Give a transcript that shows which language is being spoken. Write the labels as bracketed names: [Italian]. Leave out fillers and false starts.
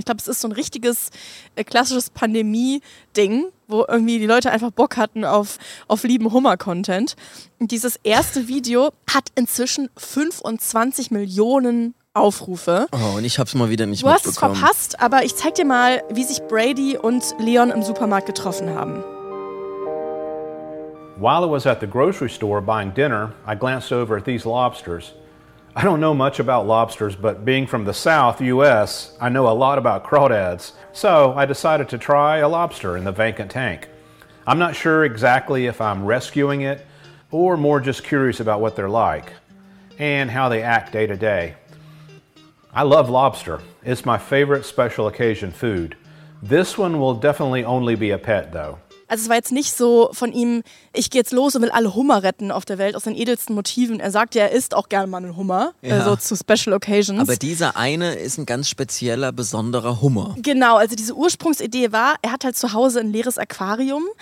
[German] Ich glaube, es ist so ein richtiges klassisches Pandemie-Ding, wo irgendwie die Leute einfach Bock hatten auf lieben Hummer-Content. Und dieses erste Video hat inzwischen 25 Millionen Aufrufe. Oh, und ich hab's mal wieder nicht mitbekommen. Du hast es verpasst, aber ich zeig dir mal, wie sich Brady und Leon im Supermarkt getroffen haben. [English] While I was at the grocery store buying dinner, I glanced over at these lobsters. I don't know much about lobsters, but being from the South, US, I know a lot about crawdads. So I decided to try a lobster in the vacant tank. I'm not sure exactly if I'm rescuing it or more just curious about what they're like and how they act day to day. I love lobster. It's my favorite special occasion food. This one will definitely only be a pet, though. [German] Also es war jetzt nicht so von ihm, ich gehe jetzt los und will alle Hummer retten auf der Welt, aus den edelsten Motiven. Er sagt ja, er isst auch gerne mal einen Hummer, ja. So zu Special Occasions. Aber dieser eine ist ein ganz spezieller, besonderer Hummer. Genau, also diese Ursprungsidee war, er hat halt zu Hause ein leeres Aquarium.